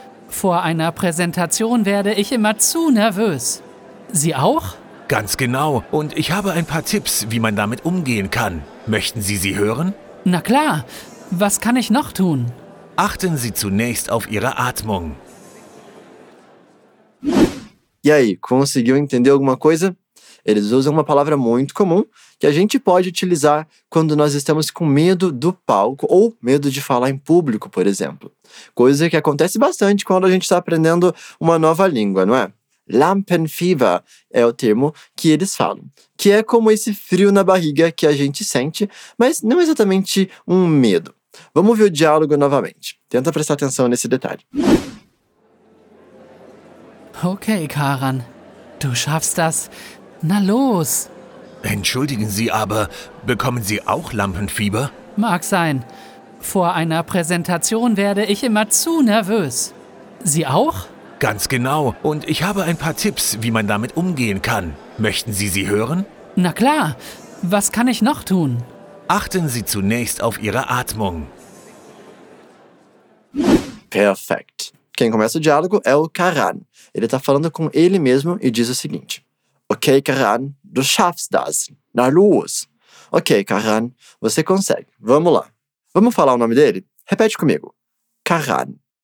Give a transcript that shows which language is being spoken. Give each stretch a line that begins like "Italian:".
German: Vor einer Präsentation werde ich immer zu nervös. Sie auch? Ganz genau. Und ich habe ein paar Tipps, wie man damit umgehen kann. Möchten Sie sie hören? Na klar. Was kann ich noch tun? Achten Sie zunächst auf Ihre Atmung.
Portuguese: E aí, conseguiu entender alguma coisa? Eles usam uma palavra muito comum que a gente pode utilizar quando nós estamos com medo do palco ou medo de falar em público, por exemplo. Coisa que acontece bastante quando a gente está aprendendo uma nova língua, não é? Lampenfieber é o termo que eles falam, que é como esse frio na barriga que a gente sente, mas não exatamente um medo. Vamos ver o diálogo novamente. Tenta prestar atenção nesse detalhe.
German: Ok, Karan. Du schaffst das. Na los! Entschuldigen Sie aber, bekommen Sie auch Lampenfieber? Mag sein. Vor einer Präsentation werde ich immer zu nervös. Sie auch? Ganz genau. Und ich habe ein paar Tipps, wie man damit umgehen kann. Möchten Sie sie hören? Na klar. Was kann ich noch tun? Achten Sie zunächst auf Ihre Atmung. Perfekt.
Portuguese: Quem começa o diálogo é o Karan. Ele tá falando com ele mesmo e diz o seguinte.
German: Ok, Karan, du schaffst das. Na los.
Portuguese: Ok, Karan, você consegue. Vamos lá. Vamos falar o nome dele? Repete comigo. Karan.